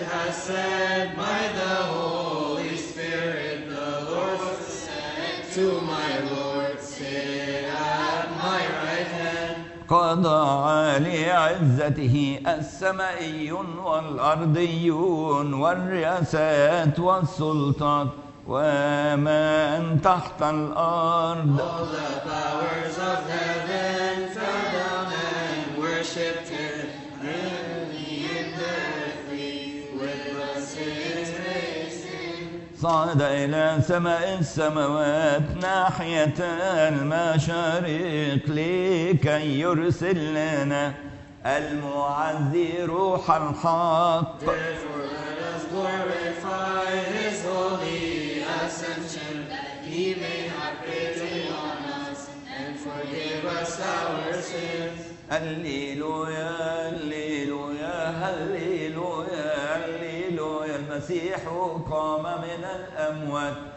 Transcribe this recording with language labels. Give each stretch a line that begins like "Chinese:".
English: Said by the Holy Spirit, the Lord said to my Lord, sit at my right hand.
Arabic: قضى لعزته السمائيون والأرضيون والرياسات والسلطات ومن تحت الأرض.
English: All the powers of heaven fell down and worshipped him.
Arabic: صعد إلى سماء السماوات ناحية المشارق لكي يرسل لنا المعزي روح الحق.
English: Therefore let us glorify his holy ascension, that he may have pity on us and forgive us our sins.
Arabic: Alleluia, Alleluia, Alleluia. المسيح قام من الأموات